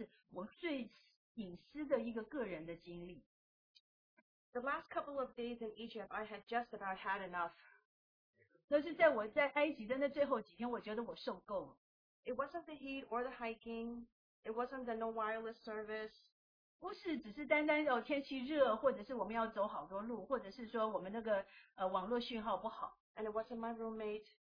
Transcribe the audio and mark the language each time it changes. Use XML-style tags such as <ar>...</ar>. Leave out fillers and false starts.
<zh>那我可以跟大家分享很多我不同的这个经历，但是我要跟大家分享的是我最隐私的一个个人的经历。</zh> <en>The last couple of days in Egypt, I had just about had enough.</en> <zh>那是在我在埃及的那最后几天，我觉得我受够了。</zh> <en>It wasn't the heat or the hiking. It wasn't the no wireless service.</en> <zh>不是只是单单天气热，或者是我们要走好多路，或者是说我们那个网络讯号不好。</zh> <en>And it wasn't my roommate.</en>